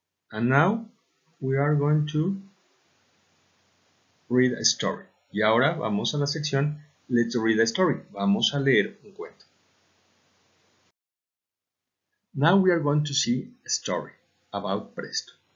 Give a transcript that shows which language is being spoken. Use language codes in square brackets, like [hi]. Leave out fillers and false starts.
[en] And now we are going to read a story. [es] Y ahora vamos a la sección Let's Read a Story. Vamos a leer un cuento. [en] Now we are going to see a story about Presto.